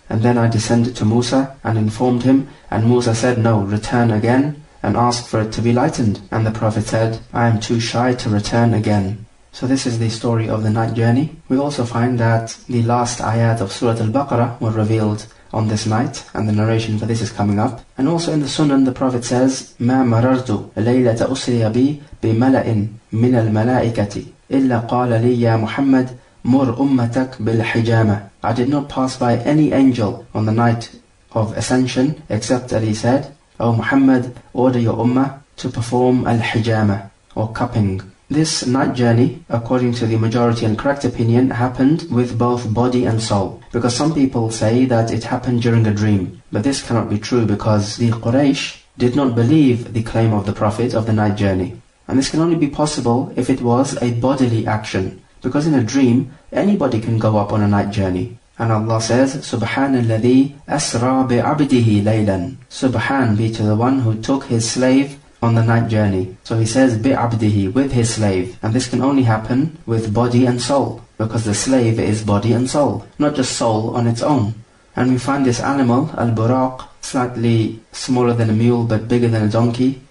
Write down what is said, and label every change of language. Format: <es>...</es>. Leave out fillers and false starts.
<en>And then I descended to Musa and informed him, and Musa said, no, return again and ask for it to be lightened. And the Prophet said, I am too shy to return again. So this is the story of the night journey. We also find that the last ayat of Surah Al-Baqarah were revealed on this night, and the narration for this is coming up. And also in the Sunan, the Prophet says,</en> <ar>مَا مَرَرْتُ لَيْلَةَ أُسْرِيَ بِي بِمَلَئٍ مِنَ الْمَلَائِكَةِ إِلَّا قَالَ لِي يَا مُحَمَّدٍ مُرْ أُمَّتَكْ بِالْحِجَامَةِ.</ar> <en>I did not pass by any angel on the night of ascension, except that he said, O Muhammad, order your ummah to perform al-hijama, or cupping. This night journey, according to the majority and correct opinion, happened with both body and soul. Because some people say that it happened during a dream. But this cannot be true, because the Quraysh did not believe the claim of the Prophet of the night journey. And this can only be possible if it was a bodily action. Because in a dream, anybody can go up on a night journey. And Allah says,</en> <ar>سبحان الذي أسرى بعبده ليلا.</ar> <en>Subhan be to the one who took his slave on the night journey. So he says, bi'abdihi, with his slave. And this can only happen with body and soul, because the slave is body and soul, not just soul on its own. And we find this animal, al-buraq, slightly smaller than a mule but bigger than a donkey.</en>